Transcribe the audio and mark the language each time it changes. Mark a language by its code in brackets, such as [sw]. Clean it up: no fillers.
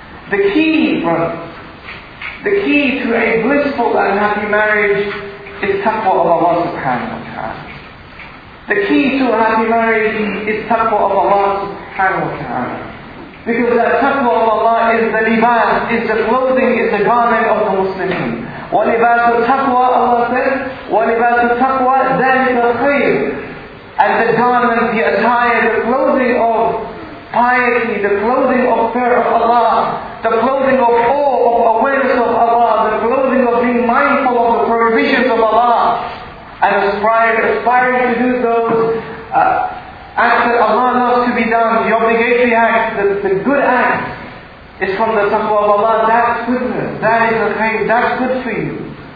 [en] The key, brothers, the key to a blissful and happy marriage is تقوى of Allah سبحانه وتعالى. The key to a happy marriage is تقوى of Allah سبحانه وتعالى. Because that تقوى of Allah is the لباس, is the clothing, is the garment of the Muslim. [ar] وَلِبَاسُ التَّقْوَى [en] Allah says, [ar] وَلِبَاسُ التَّقْوَى ذَلِكَ الْخَيْرِ. [en] And the garment, the attire, the clothing of piety, the clothing of fear of Allah, the clothing of awe, of awareness of Allah, the clothing of being mindful of the prohibitions of Allah, and aspiring to do those acts that Allah loves to be done, the obligatory acts, the good acts, it's from the taqwa of Allah, that's goodness, that is a khayr, that's good for you.